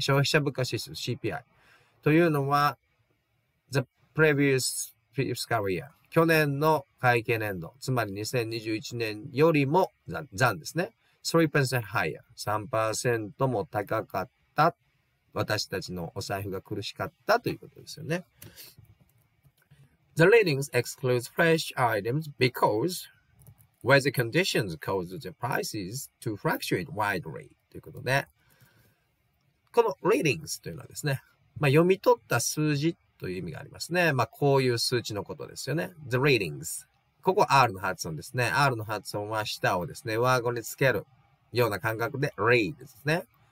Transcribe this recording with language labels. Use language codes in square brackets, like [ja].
[ja] 消費者物価指数 CPI。というのは、 [en] the previous fiscal year。 [ja] 去年の会計年度。つまり2021年よりも残ですね。 [en] 3% higher。 [ja] 3% も高かった。私たちのお財布が苦しかったということですよね。 [en] The readings exclude fresh items because weather conditions cause the prices to fluctuate widely. [ja] ということで、この readings というのはですね、まあ、読み取った数字という意味がありますね。まあ、こういう数値のことですよね。 [en] The readings。 [ja] ここは R の発音ですね。R の発音は舌をですね、上顎につけるような感覚で read ですね。